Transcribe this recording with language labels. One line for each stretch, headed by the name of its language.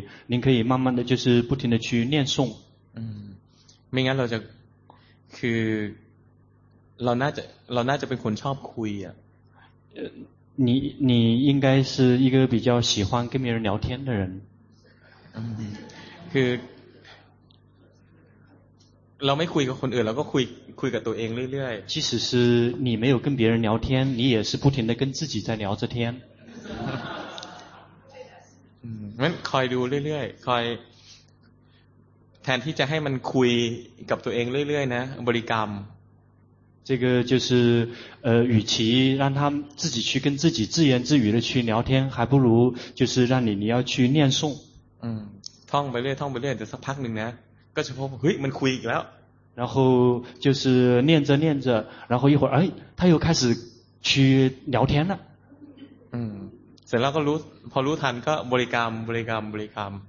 Chinese: 您可以慢慢的就是不停的去念诵
Thai: 嗯ไม่งั้นเราจะคือเราน่าจะเป็นคนชอบคุยอ่ะ
Chinese: 你应该是一个比较喜欢跟别人聊天的人嗯
Thai: คือเราไม่คุยกับคนอื่นเราก็คุยกับตัวเองเรื่อย
Chinese: ๆ即使是你没有跟别人聊天你也是不停的跟自己在聊着天
Thai: มันคอยดูเรื่อยๆคอยแทนที่จะให้มันคุยกับตัวเองเรื่อยๆนะบริกรรม
Chinese: 这个就是与其让他自己去跟自己自言自语的去聊天还不如就是让你要去念诵
Thai: ท่องไปเรื่อยท่องไปเรื่อยแต่สักพักหนึ่งนะก็จะพบเฮ้ยมันคุยอีกแล้ว
Chinese: 然后就是念着念着然后一会儿哎他又开始去聊天了
Thai: เสร็จแล้วก็รู้พอรู้ทันก็บริกรรมบริกรรมบริกรรม